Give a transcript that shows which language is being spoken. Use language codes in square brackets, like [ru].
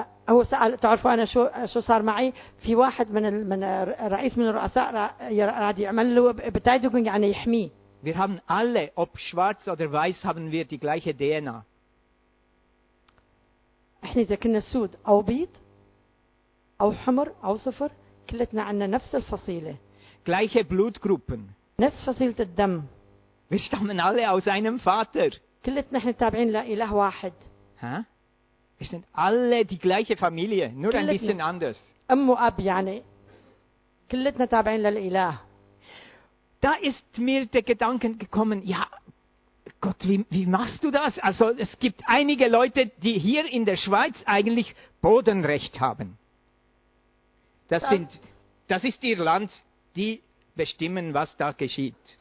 [ar] هو سأل تعرفوا أنا شو صار معي في واحد من الرئيس من الرؤساء راد يعمل له بتايدوكونج يعني يحميه. [de] Wir haben alle, ob schwarz oder weiß, haben wir die gleiche DNA. [ar] إحنا إذا كنا سود أو بيض أو حمر أو صفر كلتنا عنا نفس الفصيلة. [de] Gleiche Blutgruppen. [ar] نفس فصيلة الدم. [de] Wir stammen alle aus einem Vater. [ar] كلتنا إحنا تابعين لإله واحد. [de] ها؟ Wir sind alle die gleiche Familie, نور ein bisschen anders. [ar] أم وأب يعني كلتنا تابعين للإله. [de] Da ist mir der Gedanke gekommen, ja. Gott, wie machst du das? Also es gibt einige Leute, die hier in der Schweiz eigentlich Bodenrecht haben. Das ist ihr Land, die bestimmen, was da geschieht.